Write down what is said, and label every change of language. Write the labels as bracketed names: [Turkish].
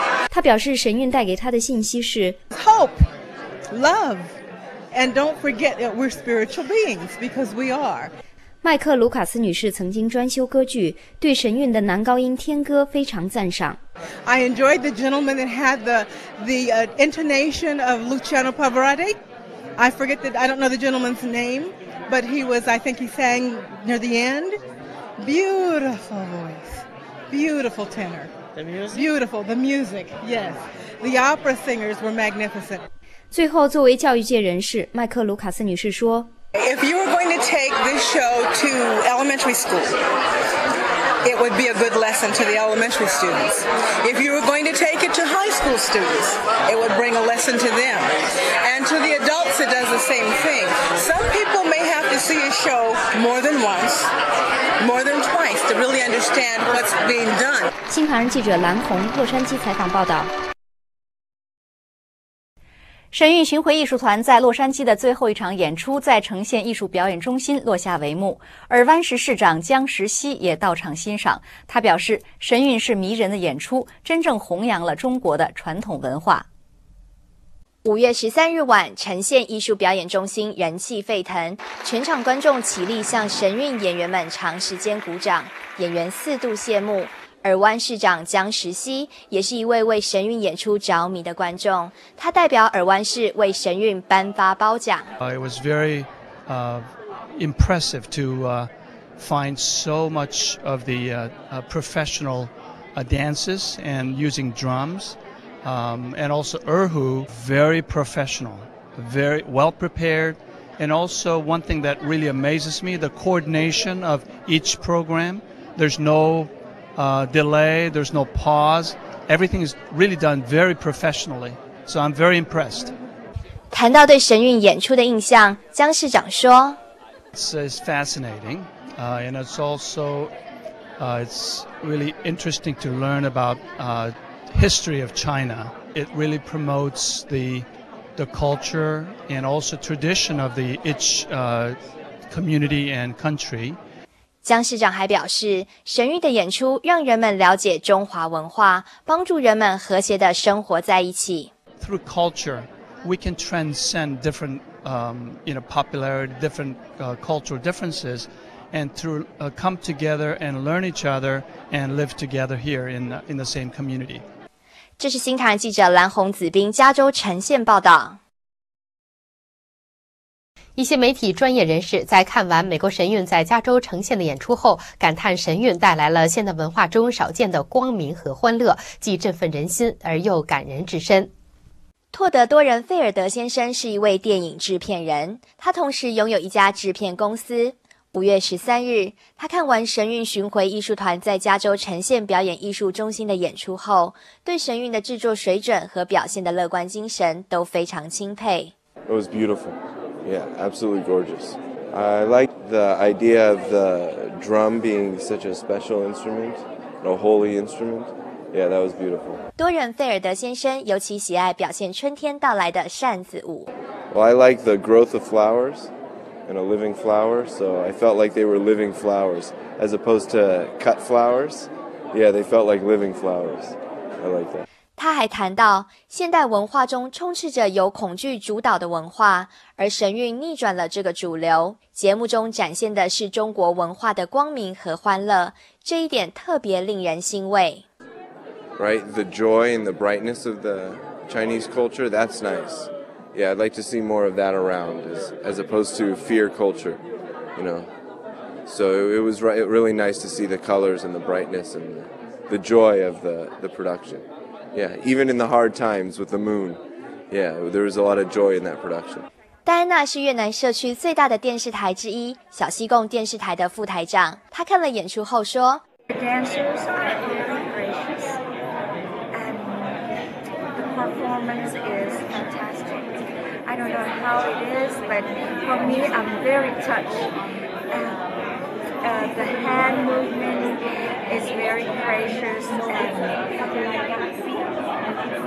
[Chinese] 他表示，神韵带给他的信息是 [English] hope, love, and don't forget that we're spiritual beings because we are. [Chinese] 麦克卢卡斯女士曾经专修歌剧，对神韵的男高音天歌非常赞赏。 [English] I enjoyed the gentleman that had the intonation of Luciano Pavarotti. I forget that I don't know the gentleman's name, but he was. I think he sang near the end. Beautiful voice, beautiful tenor. Beautiful, the music, yes. The opera singers were magnificent. [Chinese] 最后，作为教育界人士，麦克卢卡斯女士说 [English] ：“If you were going to take this show to elementary school, it would be a good lesson to the elementary students. If you were going to take it to high school students, it would bring a lesson to them. And to the adults, it does the same thing. Some people may have to see a show more than once.” More than twice to really understand what's being done. [Chinese] 新唐人记者蓝红，洛杉矶采访报道。神韵巡回艺术团在洛杉矶的最后一场演出在橙县艺术表演中心落下帷幕，而湾石市长江石溪也到场欣赏。他表示，神韵是迷人的演出，真正弘扬了中国的传统文化。 5月13日晚，橙县艺术表演中心人气沸腾，全场观众起立向神韵演员们长时间鼓掌，演员四度谢幕。而湾市长江石溪也是一位为神韵演出着迷的观众，他代表尔湾市为神韵颁发褒奖。 [English] It was very impressive to find so much of the professional dances and using drums. And also Erhu, very professional, very well prepared. And also one thing that really amazes me, the coordination of each program. There's no delay, there's no pause. Everything is really done very professionally. So I'm very impressed. [Chinese] 谈到对神韵演出的印象，江市长说 [English] It's fascinating. And it's also it's really interesting to learn about history of China. It really promotes the culture and also tradition of each community and country. [Chinese] 江市长还表示，神韵的演出让人们了解中华文化，帮助人们和谐地生活在一起。 [English] Through culture, we can transcend different popularity, different cultural differences, and through come together and learn each other and live together here in the same community. [Chinese] 这是新唐人记者蓝红子斌加州橙县报道。一些媒体专业人士在看完美国神韵在加州橙县的演出后，感叹神韵带来了现代文化中少见的光明和欢乐，既振奋人心而又感人至深。托德·多仁·费尔德先生是一位电影制片人，他同时拥有一家制片公司。 5月13日，他看完神韵巡回艺术团在加州橙县表演艺术中心的演出后，对神韵的制作水准和表现的乐观精神都非常钦佩。 [English] It was beautiful. Yeah, absolutely gorgeous. I like the idea of the drum being such a special instrument, a holy instrument. Yeah, that was beautiful. [Chinese] 多仁·费尔德先生尤其喜爱表现春天到来的扇子舞。 [English] Well, I like the growth of flowers. and a living flower, so I felt like they were living flowers. As opposed to cut flowers, yeah, they felt like living flowers. I like that. [Chinese] 他还谈到，现代文化中充斥着由恐惧主导的文化，而神韵逆转了这个主流。节目中展现的是中国文化的光明和欢乐，这一点特别令人欣慰。 [English] Right, the joy and the brightness of the Chinese culture, that's nice. Yeah, I'd like to see more of that around as opposed to fear culture, you know. So it was really nice to see the colors and the brightness and the joy of the production. Yeah, even in the hard times with the moon, yeah, there was a lot of joy in that production. [Chinese] 戴安娜是越南社区最大的电视台之一，小西贡电视台的副台长。她看了演出后说 [English] The dancers are really gracious, and the performance is fantastic. I don't know how it is, but for me, I'm very touched. And, the hand movement is very gracious and something like that.